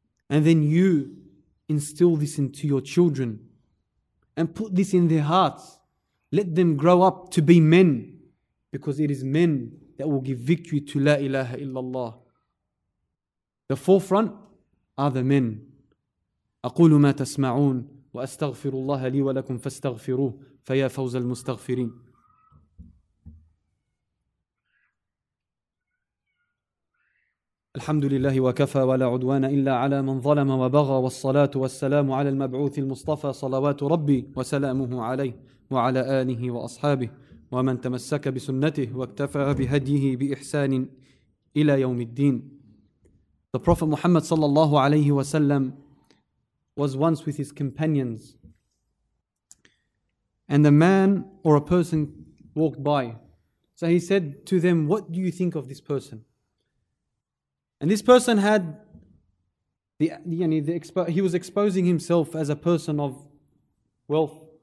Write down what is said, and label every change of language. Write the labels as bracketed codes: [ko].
[en] And then you instill this into your children and put this in their hearts. Let them grow up to be men, because it is men that will give victory to La ilaha illallah. The forefront are the men. [ar] أقول ما تسمعون وأستغفر الله لي ولكم فاستغفروه فيا فوز المستغفرين. الحمد لله وكفى ولا عدوان إلا على من ظلم وبغى والصلاة والسلام على المبعوث المصطفى صلوات ربي وسلامه عليه وعلى آله وأصحابه ومن تمسك بسنته واكتفى بهديه بإحسان إلى يوم الدين. [en] The Prophet Muhammad [ar] صلى الله عليه وسلم [en] was once with his companions, and a man or a person walked by. So he said to them, what do you think of this person? And this person had he was exposing himself as a person of wealth.